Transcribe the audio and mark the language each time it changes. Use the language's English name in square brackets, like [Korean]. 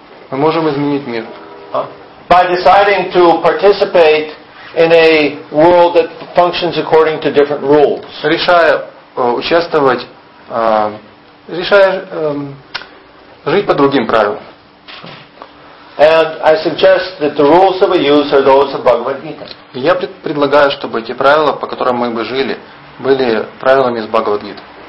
[Russian] Мы можем изменить мир. [English] By deciding to participate in a world that functions according to different rules. [Russian] Решая жить по другим правилам. [English] And I suggest that the rules that we use are those of Bhagavad Gita. [Russian] Я предлагаю, чтобы эти правила, по которым мы бы жили, были правилами из Бхагавад Гиты.